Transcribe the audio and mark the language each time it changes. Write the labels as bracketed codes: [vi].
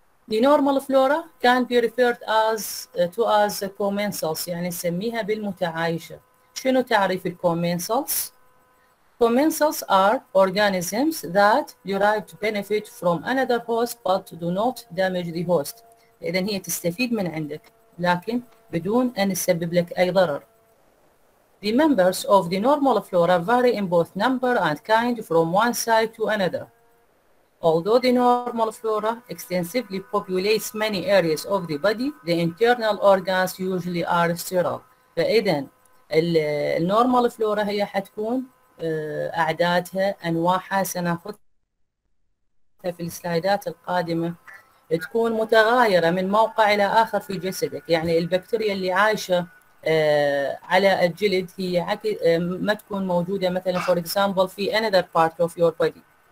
[en] The normal flora can be referred to as commensals، [ar] يعني نسميها بالمتعايشة. شنو تعريف commensals؟ [en] Commensals are organisms that derive benefit from another host but do not damage the host. [ar] إذا هي تستفيد من عندك لكن بدون أن يسبب لك أي ضرر. [en] The members of the normal flora vary in both number and kind from one site to another. Although the normal flora extensively populates many areas of the body, the internal organs usually are sterile. [ar] فإذا النورمال فلورا هي حتكون أعدادها أنواعها سنأخذها في السلايدات القادمة تكون متغايرة من موقع إلى آخر في جسدك، يعني البكتيريا اللي عايشة على الجلد هي ما تكون موجودة مثلا [en] for example [ar] في [en] another part of your body،